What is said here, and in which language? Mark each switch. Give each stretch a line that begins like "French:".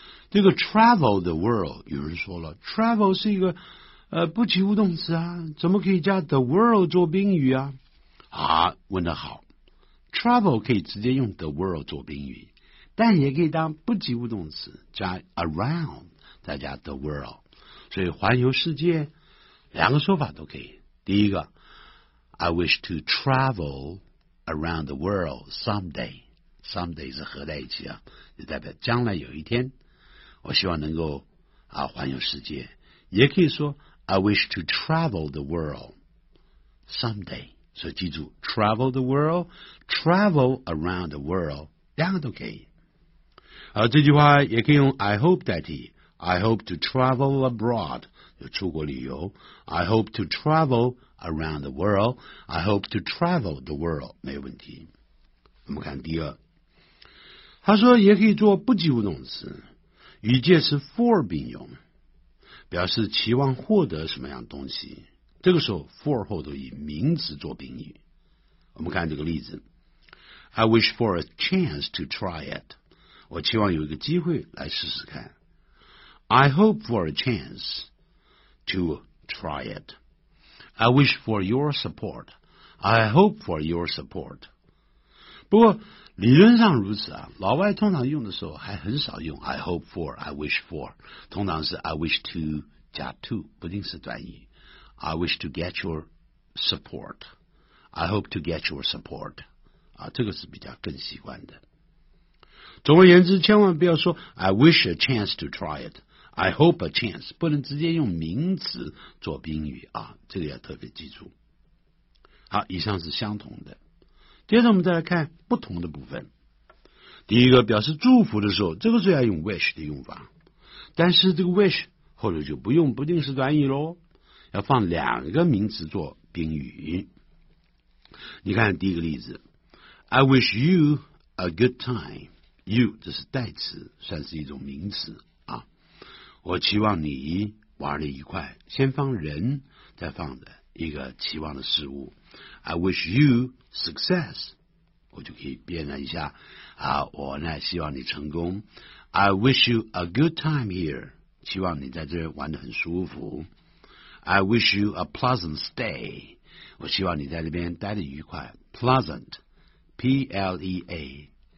Chinese: 这个
English: travel the world
Chinese: 有人说了， travel 是一个不及物动词啊，怎么可以加 the world 做宾语啊？啊，问得好， travel 可以直接用 the world 做宾语，但也可以当不及物动词加 around 再加 the world， 所以环游世界两个说法都可以。第一个
English: I wish to travel around the world someday，
Chinese: someday 是合在一起啊，就代表将来有一天我希望能够环游世界，也可以说 I wish to
English: travel the world
Chinese: someday， 所以记住 travel the world，
English: travel around the world
Chinese: 两个都可以。这句话也可以用
English: I hope 代替， I hope to travel abroad，
Chinese: 有出国旅游，
English: I hope to travel around the world， I hope to travel the world，
Chinese: 没问题。我们看第二，他说也可以做不及物动词，与介词 for 并用，表示期望获得什么样东西，这个时候 for 后头以名词做宾语。我们看这个例子，
English: I wish for a chance to try it，
Chinese: 我期望有一个机会来试试看，
English: I hope for a chanceto try it， I wish for your support， I hope for your support。
Chinese: 不过理论上如此啊，老外通常用的时候还很少用
English: I hope for， I wish for，
Chinese: 通常是
English: I wish to 加 to 不定式短语 I wish to get your support I hope to get your support、
Chinese: 啊、这个是比较更习惯的总而言之千万不要说
English: I wish a chance to try it I hope a chance
Chinese: 不能直接用名词做宾语、啊、这个要特别记住好以上是相同的接着我们再来看不同的部分第一个表示祝福的时候这个是要用 wish 的用法但是这个 wish 或者就不用不定式短语咯要放两个名词做宾语你看第一个例子
English: I wish you a good time
Chinese: you 这是代词算是一种名词啊。我期望你玩得愉快先放人再放的一个期望的事物
English: I wish you success
Chinese: 我就可以变了一下啊，我呢希望你成功
English: I wish you a good time here
Chinese: 希望你在这玩得很舒服
English: I wish you a pleasant stay
Chinese: 我希望你在这边待得愉快 pleasant P-L-E-A-S-A-N-T